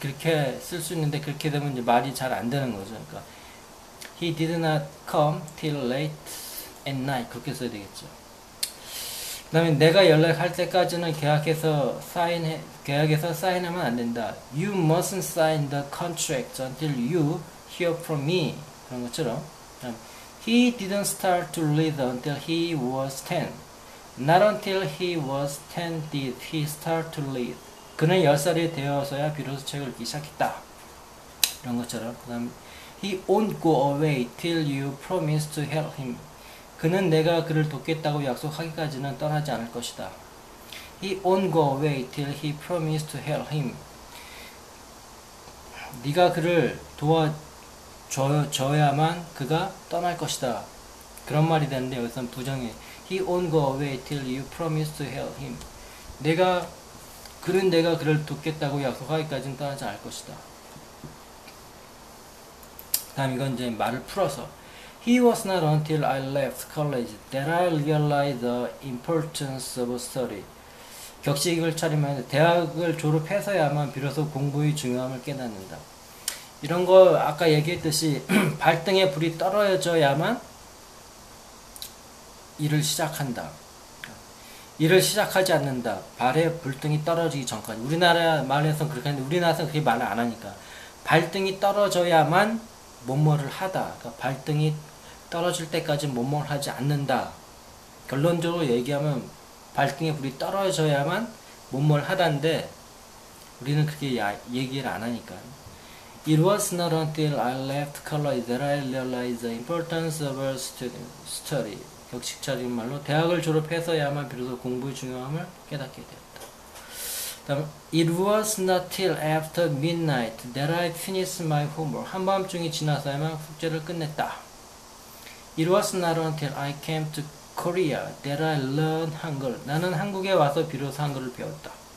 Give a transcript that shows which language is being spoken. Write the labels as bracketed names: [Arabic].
[Korean] 그렇게 쓸수 있는데 그렇게 되면 이제 말이 잘안 되는 거죠. 그러니까, [English] he did not come till late at night. [Korean] 그렇게 써야 되겠죠. 그 다음에 내가 연락할 때까지는 계약해서 사인하면 안 된다. [English] You mustn't sign the contract until you hear from me. [Korean] 그런 것처럼. [English] He didn't start to read until he was 10. Not until he was 10 did he start to read. [Korean] 그는 10살이 되어서야 비로소 책을 읽기 시작했다. 이런 것처럼. 그 다음에 [English] He won't go away till you promise to help him. [Korean] 그는 내가 그를 돕겠다고 약속하기까지는 떠나지 않을 것이다. [English] He won't go away till he promised to help him. [Korean] 네가 그를 도와줘야만 그가 떠날 것이다. 그런 말이 되는데 여기서는 부정이에요. [English] He won't go away till you promise to help him. [Korean] 내가 그를 돕겠다고 약속하기까지는 떠나지 않을 것이다. 다음 이건 이제 말을 풀어서 [English] He was not until I left college that I realized the importance of study. [Korean] 격식을 차리면 대학을 졸업해서야만 비로소 공부의 중요함을 깨닫는다. 이런 거 아까 얘기했듯이 발등에 불이 떨어져야만 일을 시작한다. 일을 시작하지 않는다. 발에 불등이 떨어지기 전까지. 우리나라 말에서는 그렇게 하는데 우리나라에서는 그렇게 말을 안 하니까. 발등이 떨어져야만 뭐뭐를 하다. 그러니까 발등이 떨어질 때까지 뭐뭐를 하지 않는다. 결론적으로 얘기하면 발등에 불이 떨어져야만 뭐뭐를 하다인데 우리는 그렇게 얘기를 안 하니까. [English] It was not until I left college that I realized the importance of a study. [Korean] 격식 차린 말로 대학을 졸업해서야만 비로소 공부의 중요함을 깨닫게 되었다. 그다음, [English] It was not till after midnight that I finished my homework. [Korean] 한밤중이 지나서야만 숙제를 끝냈다. [English] It was not until I came to Korea that I learned 한글. [Korean] 나는 한국에 와서 비로소 한글을 배웠다.